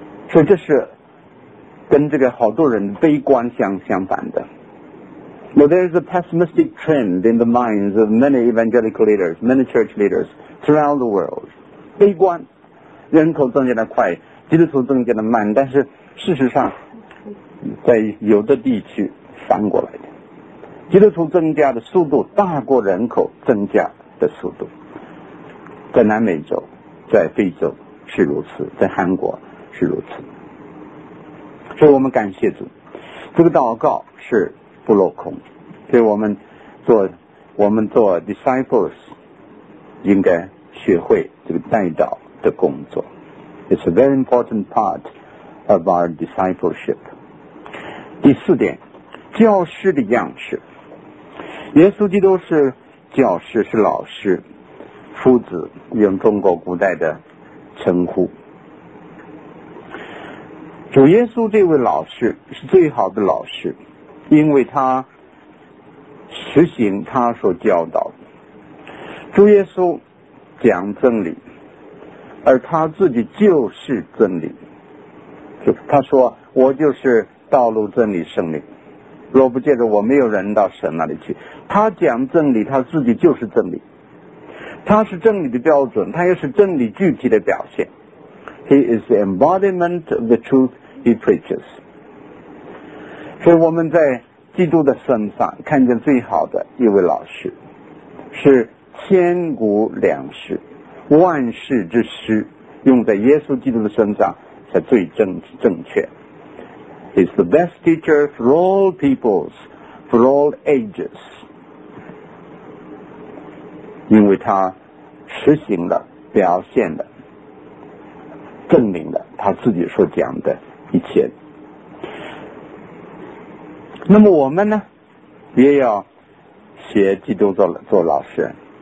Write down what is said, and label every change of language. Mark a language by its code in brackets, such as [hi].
[zh] 所以这是跟这个好多人悲观相反的。 [en] Now, there is a pessimistic trend in the minds of many evangelical leaders, many church leaders throughout the world. [zh] 悲观，人口增加的快，基督徒增加的慢，但是事实上，在有的地区反过来的，基督徒增加的速度大过人口增加的速度。在南美洲，在非洲是如此，在韩国是如此。所以我们感谢主，这个祷告是不落空，所以我们做 disciples 应该学会这个代祷的工作。 [en] It's a very important part of our discipleship. [zh] 第四点，教师的样式。耶稣基督是教师，是老师，夫子，用中国古代的称呼。主耶稣这位老师是最好的老师，因为他实行他所教导的。主耶稣讲真理，而他自己就是真理。就他说，我就是道路、真理、生命，若不借着我，没有人到神那里去。他讲真理，他自己就是真理，他是真理的标准，他也是真理具体的表现。 [en] He is the embodiment of the truth he preaches。 [zh] 所以我们在基督的身上看见最好的一位老师，是千古良师、万世之师，用在耶稣基督的身上才最正确。 [en] He's the best teacher for all peoples, for all ages. [zh] 因为他实行了、表现了、证明了他自己所讲的一切。那么我们呢，也要学基督做老师。